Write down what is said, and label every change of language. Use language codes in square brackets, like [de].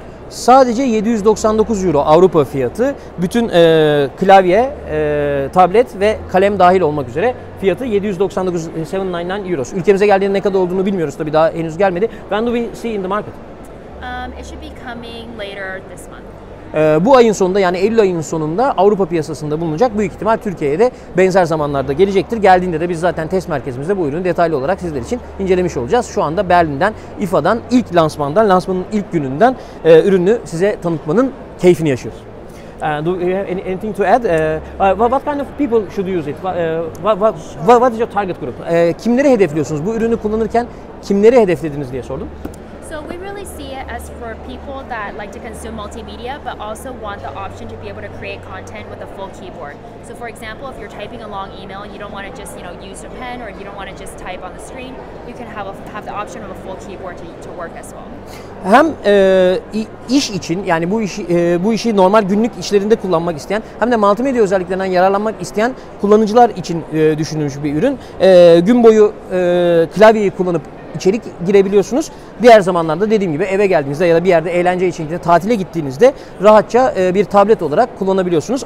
[tr] Sadece 799 euro Avrupa fiyatı. Bütün klavye, tablet ve kalem dahil olmak üzere fiyatı 799 euro. Ülkemize geldiğinde ne kadar olduğunu bilmiyoruz tabii, daha henüz gelmedi. [en] When do we see in the market? It should be coming later this month. [tr] Bu ayın sonunda, yani Eylül ayının sonunda Avrupa piyasasında bulunacak. Büyük ihtimal Türkiye'ye de benzer zamanlarda gelecektir. Geldiğinde de biz zaten test merkezimizde bu ürünü detaylı olarak sizler için incelemiş olacağız. Şu anda Berlin'den, IFA'dan, ilk lansmandan, lansmanın ilk gününden ürünü size tanıtmanın keyfini yaşıyoruz. [en] Do you have anything to add? What kind of people should use it? What is your target group? [tr] Kimleri hedefliyorsunuz? Bu ürünü kullanırken kimleri hedeflediniz diye sordum. [en] So we really see it as for people that like to consume multimedia, but also want the option to be able to create content with a full keyboard. So for example, if you're typing a long email and you don't want to just, you know, use your pen, or you don't want to just type on the screen, you can have the option of a full keyboard to work as well. [tr] Hem iş için, yani bu işi normal günlük işlerinde kullanmak isteyen, hem de multimedya özelliklerinden yararlanmak isteyen kullanıcılar için düşünülmüş bir ürün. Gün boyu klavyeyi kullanıp içerik girebiliyorsunuz. Diğer zamanlarda dediğim gibi eve geldiğinizde ya da bir yerde eğlence için tatile gittiğinizde rahatça bir tablet olarak kullanabiliyorsunuz.